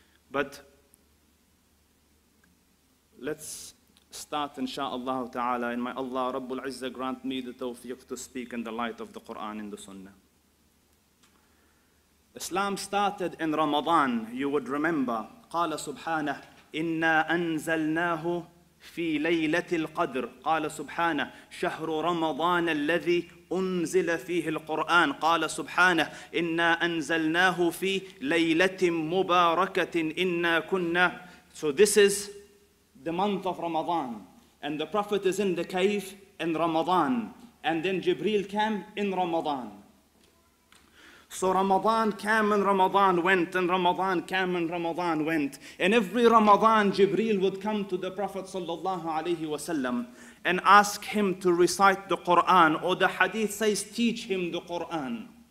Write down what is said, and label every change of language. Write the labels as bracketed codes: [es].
[en] But let's start, insha'Allah ta'ala, and may Allah Rabbul Izzah grant me the tawfiq to speak in the light of the Quran and the Sunnah. Islam started in Ramadan, you would remember. [ar] Qala subhanah, inna anzalnahu fi laylatil qadr. Qala subhanah, shahru Ramadan alladhi أنزل فيه القرآن قال سبحانه إنا أنزلناه في ليلة مباركة إنا كنا. [en] So this is the month of Ramadan, and the Prophet is in the cave in Ramadan, and then Jibreel came in Ramadan. So Ramadan came and Ramadan went, and Ramadan came and Ramadan went. And every Ramadan, Jibreel would come to the Prophet sallallahu alayhi wa sallam and ask him to recite the Quran, or the hadith says, teach him the Quran.